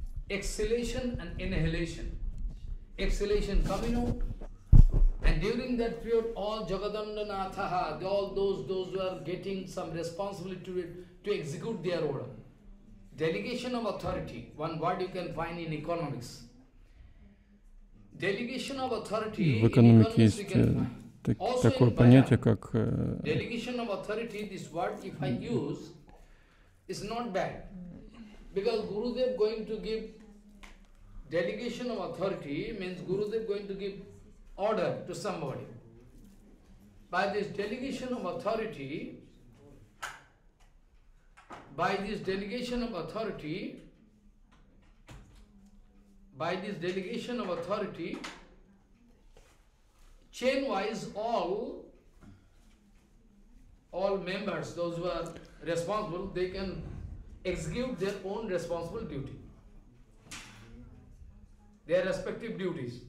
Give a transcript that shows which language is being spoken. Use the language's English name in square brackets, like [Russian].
[English] Exhalation and inhalation. Exhalation coming out, and during that period, all Jagadandanathaha, all those who are getting some responsibility to execute their order. Delegation of authority, one word you can find in economics. Delegation of authority, [Russian] в экономике есть такое понятие, как [English] delegation of authority, this word if I use, is not bad. Because Gurudev going to give delegation of authority means Gurudev going to give order to somebody. By this delegation of authority, By this delegation of authority, chain-wise, all members, those who are responsible, they can execute their own responsible duty, their respective duties.